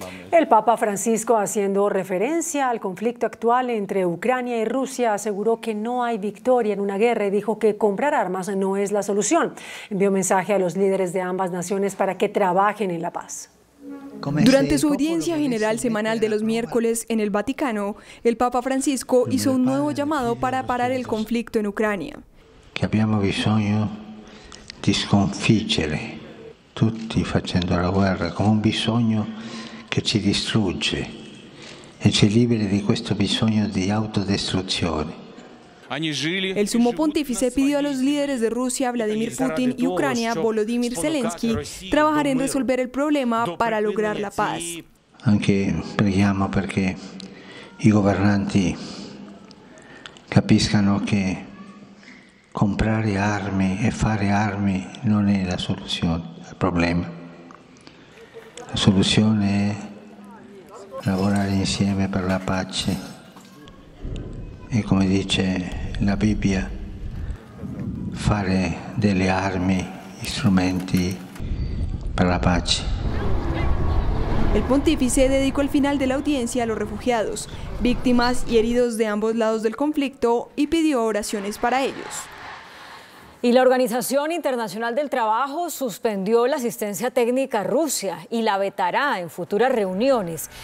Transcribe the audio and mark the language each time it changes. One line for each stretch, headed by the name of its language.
Spanish: El Papa Francisco, haciendo referencia al conflicto actual entre Ucrania y Rusia, aseguró que no hay victoria en una guerra y dijo que comprar armas no es la solución. Envió mensaje a los líderes de ambas naciones para que trabajen en la paz. Durante su audiencia general semanal de los miércoles en el Vaticano, el Papa Francisco hizo un nuevo llamado para parar el conflicto en Ucrania.
Italian: Que abbiamo bisogno di sconfiggere tutti facendo la guerra come un bisogno che ci distrugge e ci libera di questo bisogno di autodistruzione.
Spanish: El sumo pontífice pidió a los líderes de Rusia, Vladimir Putin, y Ucrania, Volodymyr Zelensky, trabajar en resolver el problema para lograr la paz.
Italian: Anche preghiamo perché i governanti capiscano che comprare armi e fare armi non è la soluzione al problema. La soluzione è lavorare insieme per la pace. E come dice la Bibbia, fare delle armi, strumenti per la pace.
Spanish: El pontífice dedicó el final de la audiencia a los refugiados, víctimas y heridos de ambos lados del conflicto y pidió oraciones para ellos. Y la Organización Internacional del Trabajo suspendió la asistencia técnica a Rusia y la vetará en futuras reuniones.